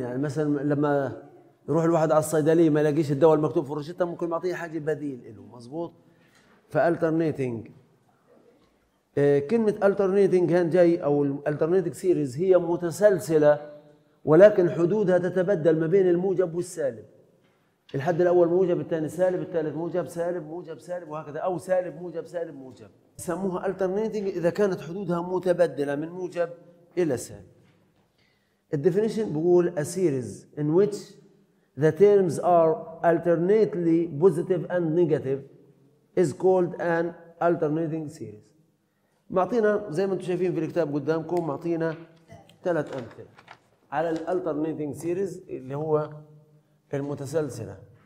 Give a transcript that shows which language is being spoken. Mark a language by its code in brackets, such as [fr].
[ar] يعني مثلا لما يروح الواحد على الصيدلية ما يلاقيش الدواء المكتوب في روشته ممكن يعطيه حاجة بديل له، مظبوط؟ فAlternating، كلمة Alternating كان جاي أو Alternating Series هي متسلسلة ولكن حدودها تتبدل ما بين الموجب والسالب، الحد الأول موجب، الثاني سالب، الثالث موجب، سالب، موجب، سالب، وهكذا، أو سالب، موجب، سالب، موجب. سموها alternating إذا كانت حدودها متبدلة من موجب إلى سالب. [en] The definition [ar] بقول [en] a series in which the terms are alternately positive and negative is called an alternating series. [ar] معطينا زي ما أنتم شايفين في الكتاب قدامكم، معطينا ثلاث أمثلة على الالترنيتنج سيريز اللي هو المتسلسلة.